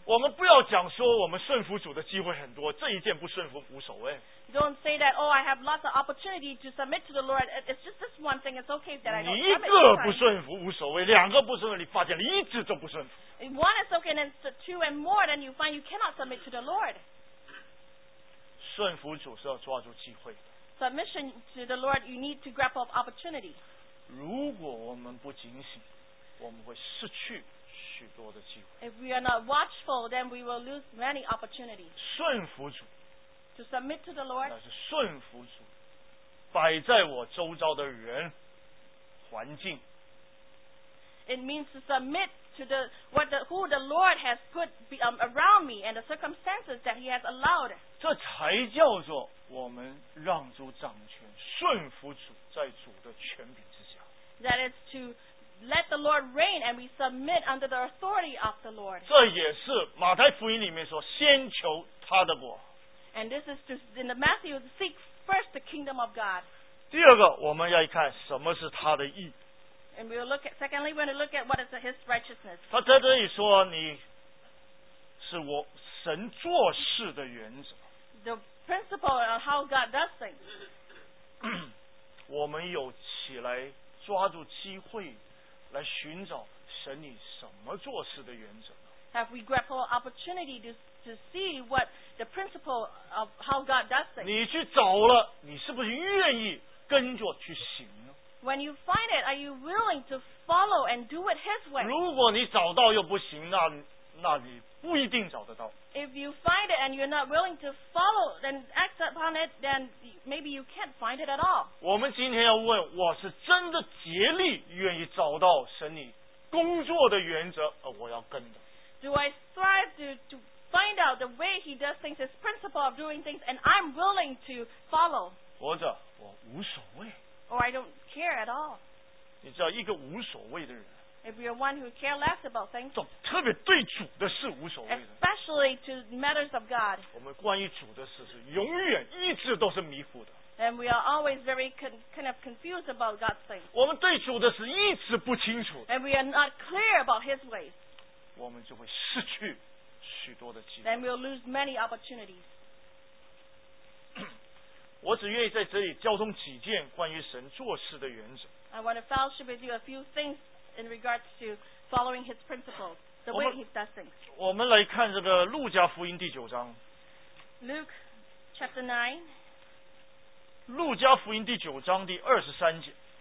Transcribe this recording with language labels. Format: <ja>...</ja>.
<zh>我们不要讲说我们顺服主的机会很多，这一件不顺服无所谓。</zh> <en>Don't say that, oh, I have lots of opportunity to submit to the Lord. It's just this one thing. It's okay that I don't submit.</en> <zh>你一个不顺服无所谓，两个不顺服，你发现了一直都不顺服。</zh> <en>One is okay, and two and more, then you find you cannot submit to the Lord.</en> <zh>顺服主是要抓住机会。</zh> <en>Submission to the Lord, you need to grab hold of opportunity.</en> <zh>如果我们不警醒，我们会失去许多的机会。</zh> <en>If we are not watchful, then we will lose many opportunities.</en> <zh>顺服主。</zh> <en>To submit to the Lord.</en> <zh>那是顺服主，摆在我周遭的人、环境。</zh> <en>It means to submit to the who the Lord has put around me and the circumstances that He has allowed.</en> <zh>这才叫做我们让主掌权，顺服主在主的权柄。</zh> <en>That is to let the Lord reign, and we submit under the authority of the Lord.</en> <zh>这也是马太福音里面说，先求他的国。</zh> <en>And this is to in the Matthew seek first the kingdom of God.</en> <zh>第二个，我们要一看什么是他的义。</zh> <en>And we'll look at secondly, we're going to look at what is His righteousness.</en> <zh>他在这里说，你是我神做事的原则。</zh> <en>The principle of how God does things.</en> <zh>我们有起来。抓住机会来寻找神你什么做事的原则</zh> <en>Have we grappled opportunity to see what the principle of how God does things?</en> <zh>你去找了，你是不是愿意跟着去行呢</zh> <en>？When you find it, are you willing to follow and do it His way?</en> <zh>如果你找到又不行，那你不一定找得到。</zh> <en>If you find it and you're not willing to follow and act upon it, then maybe you can't find it at all.</en> <zh>我们今天要问，我是真的竭力愿意找到神你工作的原则，而我要跟的。</zh> <en>Do I strive to find out the way He does things, His principle of doing things, and I'm willing to follow?</en> <zh>或者我无所谓。</zh> <en>Or I don't care at all.</en> <zh>你知道一个无所谓的人。</zh> <en>If you're one who care less about things,</en> <zh>总特别对主的事无所谓的。</zh> <en>Especially to matters of God.</en> <zh>我们关于主的事是永远一直都是迷糊的。</zh> <en>And we are always very kind of confused about God's things.</en> <zh>我们对主的事一直不清楚。</zh> <en>And we are not clear about His ways.</en> <zh>我们就会失去许多的机会。</zh> <en>Then we'll lose many opportunities.</en> <zh>我只愿意在这里交通几件关于神做事的原则。</zh> <en>I want to fellowship with you a few things. In regards to following his principles, the way he does things.</en> <zh>我们来看这个路加福音第九章。</zh> <en>Luke chapter 9.</en> <zh>路加福音第九章第二十三节。</zh>